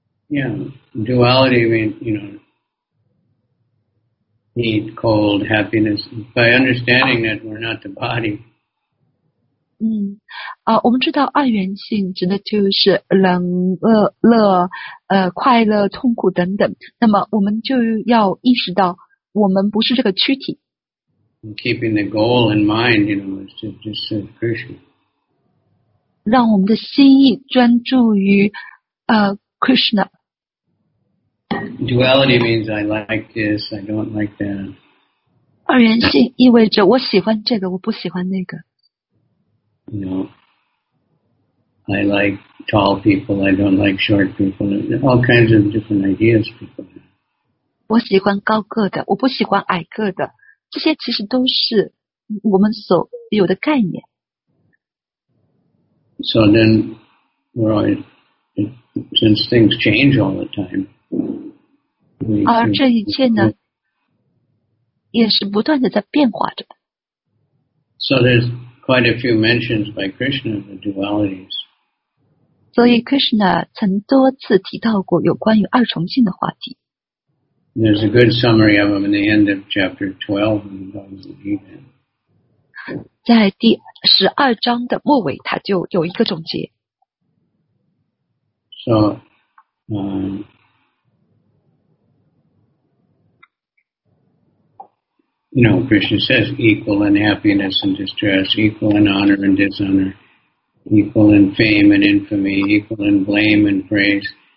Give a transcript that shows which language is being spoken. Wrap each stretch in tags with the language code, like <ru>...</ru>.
<en>Yeah, duality means heat, cold, happiness, by understanding that we're not the body.</en> <zh>我们知道二元性指的就是冷、乐、快乐、痛苦等等。那么我们就要意识到我们不是这个躯体。</zh> <en>Keeping the goal in mind, is just so crucial.</en> <zh>让我们的心意专注于Krishna。</zh> <en>Duality means I like this, I don't like that.</en> <zh>二元性意味着我喜欢这个，我不喜欢那个。</zh> <en>No. I like tall people, I don't like short people. All kinds of different ideas people have.</en> <zh>我喜欢高个的，我不喜欢矮个的。这些其实都是我们所有的概念。</zh> <en>So then, since things change all the time,</en> <zh>而这一切呢也是不断的在变化着。</zh> <en>So there's quite a few mentions by Krishna of the dualities.</en> <zh>所以 Krishna 曾多次提到过有关于二重性的话题。</zh> <en>There's a good summary of them in the end of chapter 12.</en> <zh>在第十二章的末尾他就有一个总结。</zh> <en>So, you know, Krishna says equal in happiness and distress, equal in honor and dishonor, equal in fame and infamy, equal in blame and praise.</en>